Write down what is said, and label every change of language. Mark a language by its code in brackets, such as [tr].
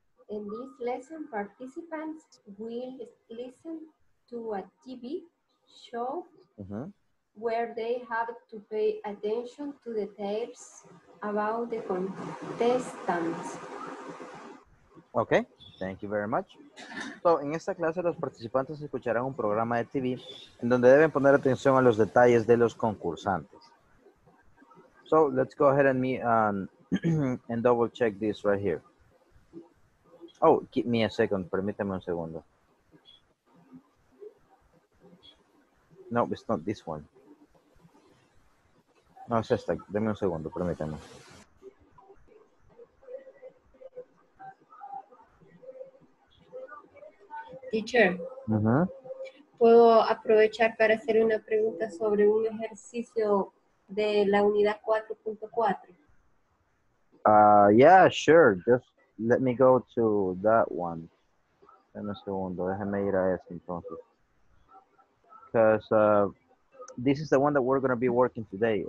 [en] In this lesson, participants will listen to a TV show mm-hmm. where they have to pay attention to details about the contestants. Okay, thank you very much. [es] So, en esta clase, los participantes escucharán un programa de TV en donde deben poner atención a los detalles de los concursantes. [en] So let's go ahead and meet and double check this right here. Oh, give me a second. [es] Permítame un segundo. [en] No, it's not this one. No, it's just like, [es] deme un segundo, permítame. [en] Teacher, mm-hmm. [es] ¿puedo aprovechar para hacer una pregunta sobre un ejercicio de la unidad 4.4? [en] Yeah, sure. Just let me go to that one. [es] En un segundo, déjame ir a ese entonces. [en] Because this is the one that we're going to be working today.